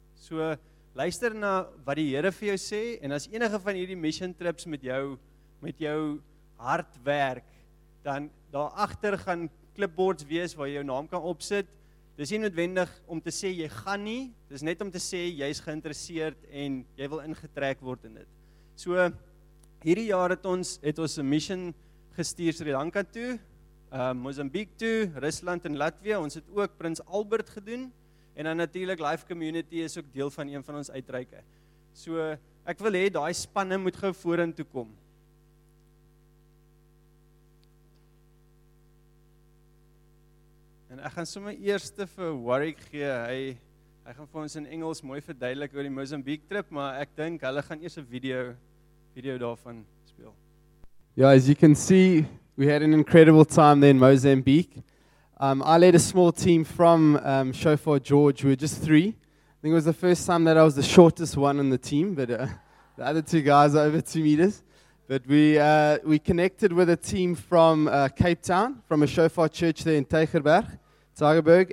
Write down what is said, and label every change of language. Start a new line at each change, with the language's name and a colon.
Afrikaans: So, luister na wat die Here vir jou sê, en as enige van hierdie mission trips met jou hard werk, dan daar agter gaan clipboards wees waar jy jou naam kan opsit. Dis nie noodwendig om te sê jy gaan nie, dis net om te sê jy's geïnteresseerd en jy wil ingetrek word in dit. So, hierdie jaar het ons 'n mission gestuur Sri Lanka toe, Mozambiek toe, Rusland en Latvië. Ons het ook Prins Albert gedoen, en dan natuurlik Life Community is ook deel van een van ons uitreike. So, ek wil hê daai spanne moet gou vorentoe kom. En ek gaan sommer eerste vir Warwick gee. Hy gaan vir ons in Engels mooi verduidelik oor die Mozambique trip, maar ek dink hulle gaan eers 'n video daarvan speel.
English: Yeah, as you can see, we had an incredible time there in Mozambique. I led a small team from Shofar George. We were just three. I think it was the first time that I was the shortest one on the team, but the other two guys are over 2 meters. But we connected with a team from Cape Town, from a Shofar church there in Tygerberg.